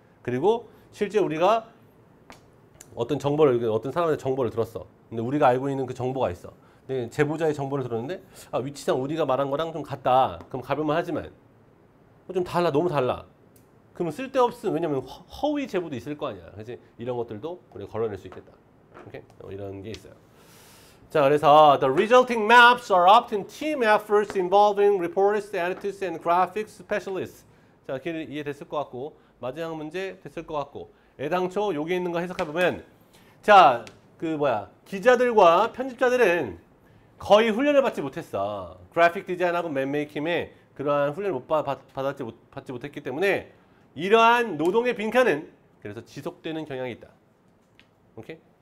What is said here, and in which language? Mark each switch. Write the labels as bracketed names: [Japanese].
[Korean] 그리고 실제 우리가 어떤 정보를, 어떤 사람의 정보를 들었어. 근데 우리가 알고 있는 그 정보가 있어. 근데 제보자의 정보를 들었는데, 아, 위치상 우리가 말한 거랑 좀 같다. 그럼 가볍만 하지만, 좀 달라, 너무 달라. 그럼 쓸데없음, 왜냐면 허위 제보도 있을 거 아니야. 그지? 이런 것들도 우리가 걸러낼 수 있겠다. 오케이? 이런 게 있어요. 자, 그래서, [English] The resulting maps are often team efforts involving reporters, editors, and graphics specialists. [Korean] 자, 이렇게 이해됐을 것 같고, 마지막 문제 됐을 것 같고 애당초 여기 있는 거 해석해보면 자 그 뭐야 기자들과 편집자들은 거의 훈련을 받지 못했어. 그래픽 디자인하고 맵메이킹에 그러한 훈련을 받지 못했기 때문에 이러한 노동의 빈칸은 그래서 지속되는 경향이 있다. 오케이?